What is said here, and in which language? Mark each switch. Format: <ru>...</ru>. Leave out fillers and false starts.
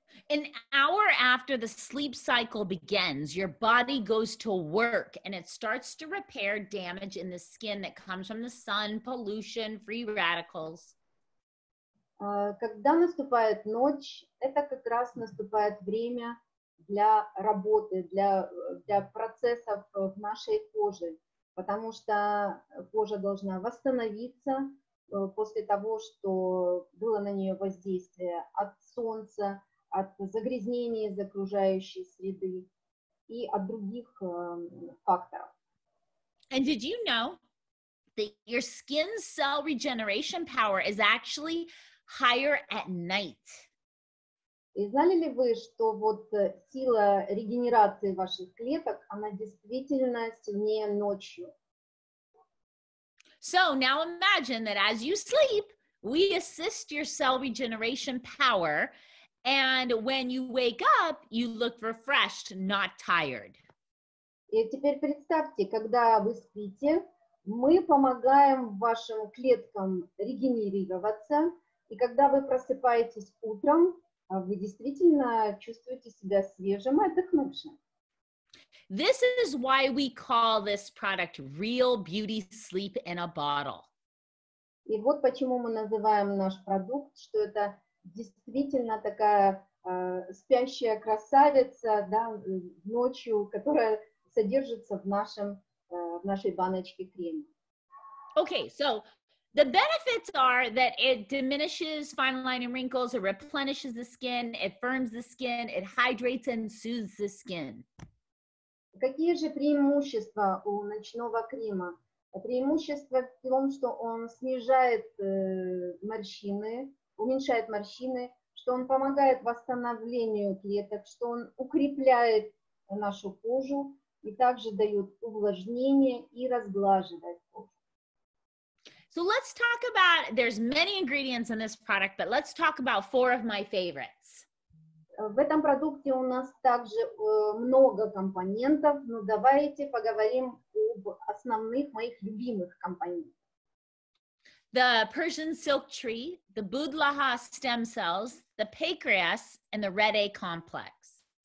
<en>An hour after the sleep cycle begins, your body goes to work and it starts to repair damage in the skin that comes from the sun, pollution, free radicals.</en> <ru>Когда наступает ночь, это как раз наступает время для работы, для процессов в нашей коже. Потому что кожа должна восстановиться после того, что было на нее воздействие от солнца, от загрязнения из окружающей среды и от других факторов.</ru> <en>And did you know that your skin's cell regeneration power is actually higher at night?</en> <ru>И знали ли вы, что вот сила регенерации ваших клеток, она действительно сильнее ночью?</ru> <en>So now imagine that as you sleep, we assist your cell regeneration power, and when you wake up, you look refreshed, not tired.</en> <ru>И теперь представьте, когда вы спите, мы помогаем вашим клеткам регенерироваться, и когда вы просыпаетесь утром, вы действительно чувствуете себя свежим и отдохнувшим.</ru> <en>This is why we call this product Real Beauty Sleep in a Bottle.</en> <ru>И вот почему мы называем наш продукт, что это действительно такая спящая красавица, да, ночью, которая содержится в нашей баночке крема.</ru> <en>Okay, so the benefits are that it diminishes fine line and wrinkles, it replenishes the skin, it firms the skin, it hydrates and soothes the skin.</en> <ru>Какие же преимущества у ночного крема? Преимущество в том, что он снижает морщины, уменьшает морщины, что он помогает восстановлению клеток, что он укрепляет нашу кожу и также дает увлажнение и разглаживает кожу.</ru> <en>So let's talk about, there's many ingredients in this product, but let's talk about four of my favorites.</en> <ru>В этом продукте у нас также много компонентов, но давайте поговорим об основных моих любимых компонентах.</ru> <en>The Persian silk tree, the budлаха stem cells, the pancreas, and the red A complex.</en>